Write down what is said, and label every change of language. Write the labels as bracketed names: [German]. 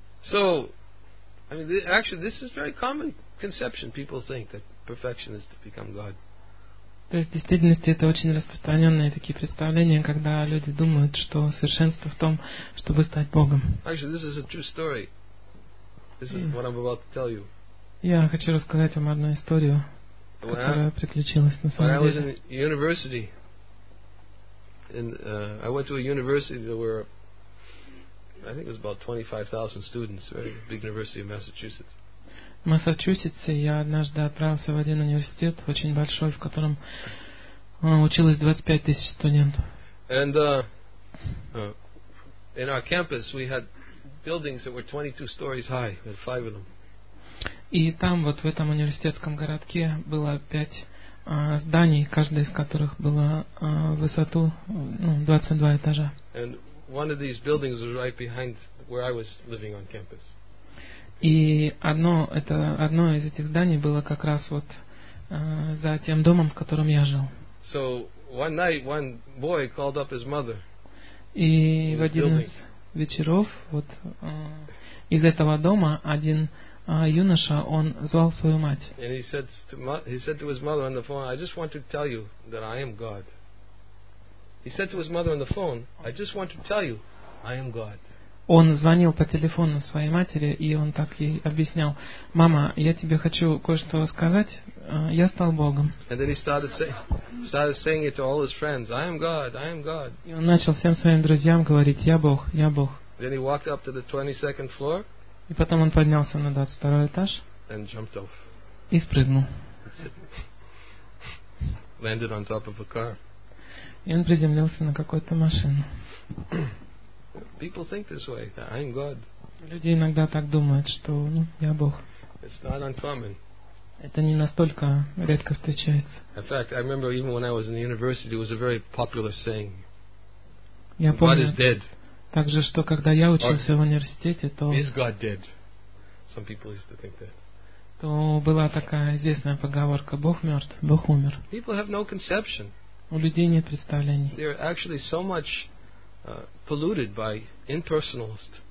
[English] So, I mean, actually, this is a very common conception. People think that perfection is to become God. [Russian] То есть, в действительности, это очень распространенные такие представления, когда люди думают, что совершенство в том, чтобы стать Богом. [English] Actually, this is a true story. This is what I'm about to tell you. [Russian] Я хочу рассказать вам одну историю, которая приключилась на самом деле. [English] When I was in university, I went to a university that were, I think it was about 25,000 students, very big university of Massachusetts. [Russian] В Массачусетсе я однажды отправился в один университет, очень большой, в котором училось 25 тысяч студентов. [English] And in our campus we had buildings that were 22 stories high, we had five of them. [Russian] И там, вот в этом университетском городке, было пять зданий, каждое из которых было в высоту 22 этажа. [English] And one of these buildings was right behind where I was living on campus. [Russian] И одно из этих зданий было как раз вот за тем домом, в котором я жил. [English] So one night one boy called up his mother. [Russian] И в один из вечеров вот из этого дома один юноша, он звал свою мать. [English] And he said to his mother on the phone, "I just want to tell you that I am God." He said to his mother on the phone, "I just want to tell you I am God." [Russian] Он звонил по телефону своей матери, и он так ей объяснял: "Мама, я тебе хочу кое-что сказать. Я стал Богом." [English] And then he started saying it to all his friends, "I am God, I am God." [Russian] И он начал всем своим друзьям говорить: "Я Бог, я Бог." [English] Then he walked up to the 22nd floor. [Russian] И потом он поднялся на 22 этаж. [English] And jumped off. [Russian] И спрыгнул. [English] Landed on top of a car. [Russian] И он приземлился на какую-то машину. [English] People think this way, that I'm God. [Russian] Люди иногда так думают, что я Бог. [English] It's not uncommon. [Russian] Это не настолько редко встречается. [English] In fact, I remember even when I was in the university, it was a very popular saying. [Russian] Я [English] God [Russian] помню, [English] is dead. [Russian] Также, что когда я учился в университете, то... [English] Is God dead? Some people used to think that. [Russian] То была такая известная поговорка: Бог мертв, Бог умер. [English] People have no conception. [Russian] У людей нет представлений. [English] They're actually so much polluted by impersonalist